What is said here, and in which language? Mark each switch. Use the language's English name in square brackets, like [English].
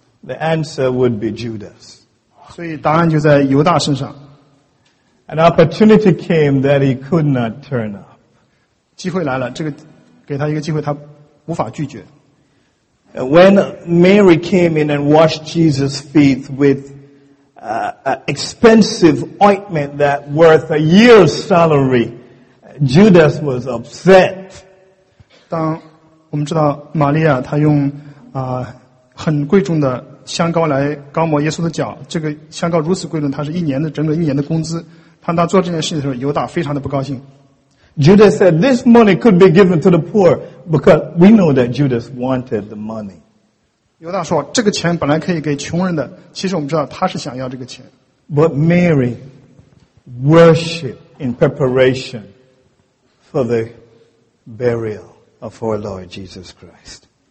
[English] The answer would be Judas. [Chinese] 所以答案就在犹大身上。 [English] An opportunity came that he could not turn up. [Chinese] 机会来了，这个给他一个机会他无法拒绝。 [English] When Mary came in and washed Jesus' feet with expensive ointment that worth a year's salary, Judas was upset. [Chinese] 当我们知道玛利亚她用很贵重的香膏来膏抹耶稣的脚，这个香膏如此贵重，它是一年的整整一年的工资。当她做这件事情的时候，犹大非常的不高兴。 [English] Judas said, "This money could be given to the poor," because we know that Judas wanted the money. [Chinese] 犹大说这个钱本来可以给穷人的，其实我们知道他是想要这个钱。 [English] But Mary worshiped in preparation for the burial of our Lord Jesus Christ.